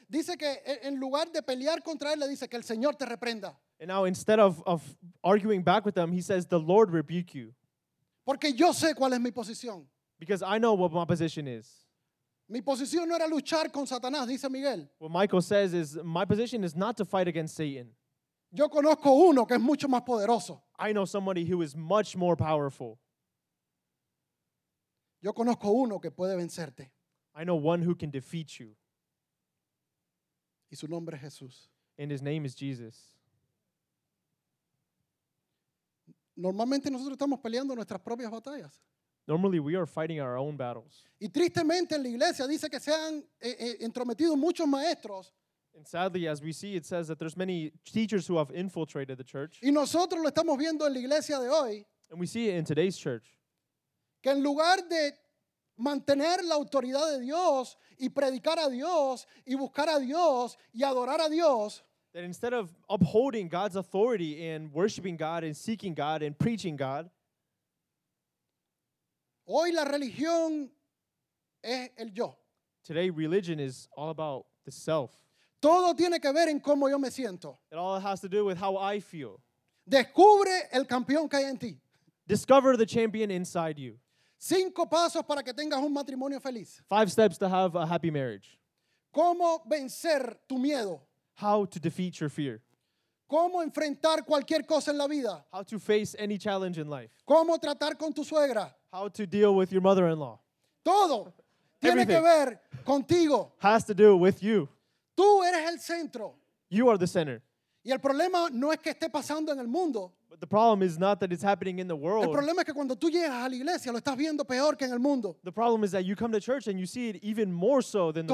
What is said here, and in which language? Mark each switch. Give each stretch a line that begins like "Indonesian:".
Spanish: Dice que en lugar de pelear contra él, le dice que el Señor te reprenda.
English: And now instead of arguing back with them, he says the Lord rebuke you.
Spanish: Porque yo sé cuál es mi posición.
English: Because I know what my position is.
Spanish: Mi posición no era luchar con Satanás, dice Miguel.
English: What Michael says is, my position is not to fight against Satan.
Spanish: Yo conozco uno que es mucho más poderoso.
English: I know somebody who is much more powerful.
Spanish: Yo conozco uno que puede vencerte.
English: I know one who can defeat you.
Spanish: Y su nombre es Jesús.
English: And his name is Jesus.
Spanish: Normalmente nosotros estamos peleando nuestras propias batallas.
English: Normally we are fighting our own battles.
Spanish: Y tristemente en la iglesia dice que se han entrometido muchos maestros.
English: And sadly, as we see, it says that there's many teachers who have infiltrated the church.
Spanish: Y nosotros lo estamos viendo en la iglesia de hoy.
English: And we see it in today's church.
Spanish: Que en lugar de mantener la autoridad de Dios y predicar a Dios y buscar a Dios y adorar a Dios.
English: That instead of upholding God's authority and worshiping God and seeking God and preaching God.
Spanish: Hoy la religión es el yo.
English: Today religion is all about the self.
Spanish: Todo tiene que ver en cómo yo me siento.
English: It all has to do with how I feel.
Spanish: Descubre el campeón que hay en ti.
English: Discover the champion inside you.
Spanish: 5 pasos para que tengas un matrimonio feliz.
English: 5 steps to have a happy marriage.
Spanish: Cómo vencer tu miedo.
English: How to defeat your fear.
Spanish: Cómo enfrentar cualquier cosa en la vida.
English: How to face any challenge in life.
Spanish: Cómo tratar con tu suegra.
English: How to deal with your mother-in-law.
Spanish: Todo tiene que ver contigo.
English: Has to do with you.
Spanish: Tú eres el centro.
English: You are the center.
Spanish: Y el problema no es que esté pasando en el mundo.
English: But the problem is not that it's happening in the world.
Spanish: El problema es que cuando tú llegas a la iglesia lo estás viendo peor que en el mundo.
English: The problem is that you come to church and you see it even more so than the